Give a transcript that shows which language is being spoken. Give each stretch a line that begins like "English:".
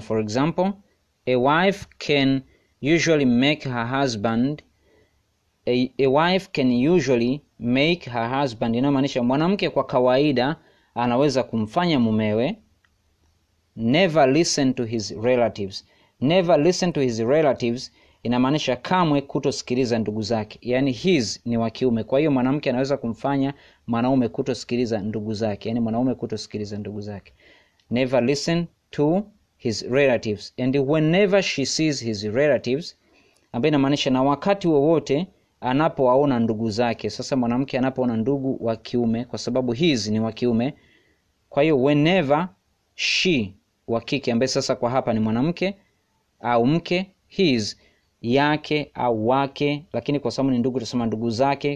English: For example, a wife can usually make her husband, a wife can usually make her husband,
Swahili: inamaanisha mwanamke kwa kawaida anaweza kumfanya mumewe
English: never listen to his relatives. Never listen to his relatives
Swahili: inamaanisha kamwe kutosikiliza ndugu zake. Yani his ni wa kiume. Kwa hiyo mwanamke anaweza kumfanya mwanaume kutosikiliza ndugu zake. Yani mwanaume kutosikiliza ndugu zake.
English: Never listen to his relatives. And whenever she sees his relatives,
Swahili: ambaye inamaanisha na wakati wowote anapowaona ndugu zake. Sasa mwanamke anapoona ndugu wa kiume kwa sababu his ni wa kiume. Kwa hiyo
English: whenever she,
Swahili: wa kike, ambaye sasa kwa hapa ni mwanamke au mke, his, yake au wake, lakini kwa sababu ni ndugu tusema ndugu zake.